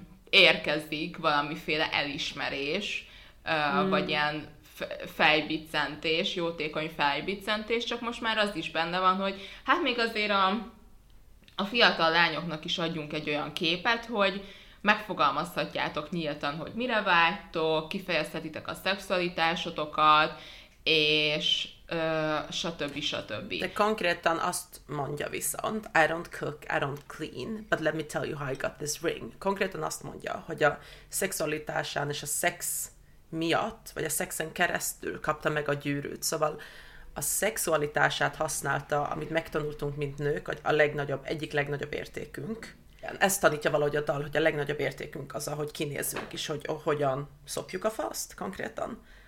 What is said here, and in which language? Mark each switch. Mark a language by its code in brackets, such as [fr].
[hu] érkezik valamiféle elismerés, vagy ilyen fejbiccentés, jótékony fejbiccentés, csak most már az is benne van, hogy hát még azért a fiatal lányoknak is adjunk egy olyan képet, hogy megfogalmazhatjátok nyíltan, hogy mire vágytok, kifejezhetitek a szexualitásotokat, és stb. De konkrétan azt mondja viszont, [en] I don't cook, I don't clean, but let me tell you how I got this ring. [hu] Konkrétan azt mondja, hogy a szexualitásán és a szex miatt, vagy a szexen keresztül kapta meg a gyűrűt. Szóval a szexualitását használta, amit megtanultunk, mint nők, hogy a legnagyobb, egyik legnagyobb értékünk. Ezt tanítja valahogy a dal, hogy a legnagyobb értékünk az, ahogy kinézünk is, hogy hogyan szopjuk a faszt konkrétan.